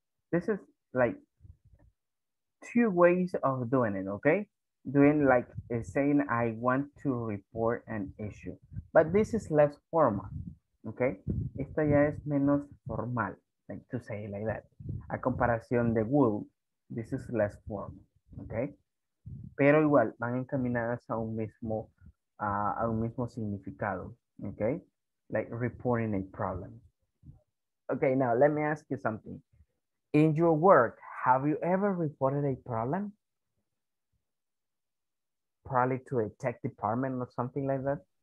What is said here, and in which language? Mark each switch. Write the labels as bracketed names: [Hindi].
[English] This is like two ways of doing it, okay? Doing like saying, I want to report an issue. But this is less formal, okay? [Spanish] Esta ya es menos formal, [English] like to say like that. [Spanish] A comparación de [English] will, this is less formal, okay? [Spanish] Pero igual, van encaminadas a un mismo significado, okay? [English] Like reporting a problem. Okay, now let me ask you something. In your work, have you ever reported a problem? Probably to a tech department or something like that.